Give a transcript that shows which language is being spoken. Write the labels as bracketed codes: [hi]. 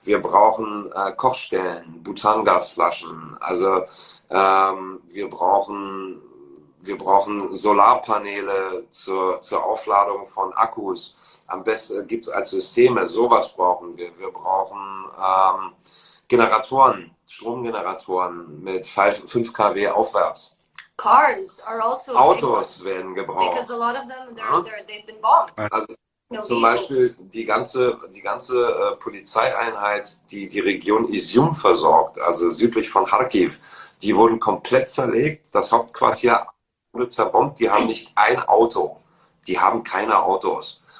[de] Wir brauchen Kochstellen, Butangasflaschen, also wir brauchen Solarpaneele zur Aufladung von Akkus. Am besten gibt es als Systeme, sowas brauchen wir. Wir brauchen Generatoren, Stromgeneratoren mit 5 kW aufwärts. [en] Cars are also [de] Autos werden gebraucht. [en] Because a lot of them, they've been bombed. [de] Also, zum Beispiel die ganze Polizeieinheit, die Region Izium versorgt, also südlich von Kharkiv, die wurden komplett zerlegt, das Hauptquartier wurde zerbombt, die haben nicht ein Auto, die haben keine Autos.